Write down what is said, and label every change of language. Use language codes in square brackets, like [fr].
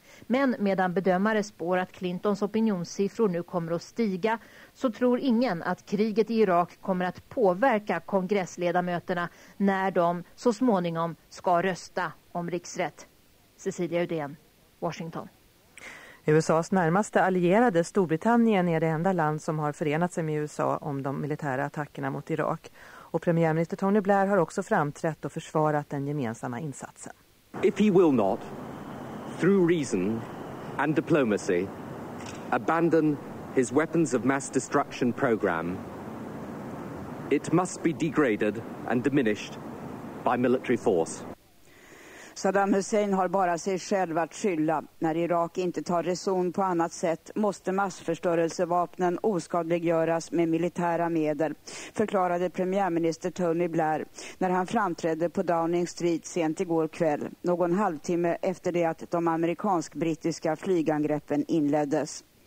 [sv] Men medan bedömare spår att Clintons opinionssiffror nu kommer att stiga, så tror ingen att kriget i Irak kommer att påverka kongressledamöterna när de så småningom ska rösta om riksrätt. Cecilia Udén, Washington. USAs närmaste allierade, Storbritannien, är det enda land som har förenat sig med USA om de militära attackerna mot Irak. Och premiärminister Tony Blair har också framträtt och försvarat den gemensamma insatsen. [en] If he will not, through reason and diplomacy, abandon his weapons of mass destruction program, it must be degraded and diminished by military force. [sv] Saddam Hussein har bara sig själv att skylla. När Irak inte tar reson på annat sätt måste massförstörelsevapnen oskadliggöras med militära medel, förklarade premiärminister Tony Blair när han framträdde på Downing Street sent igår kväll, någon halvtimme efter det att de amerikansk-brittiska flygangreppen inleddes.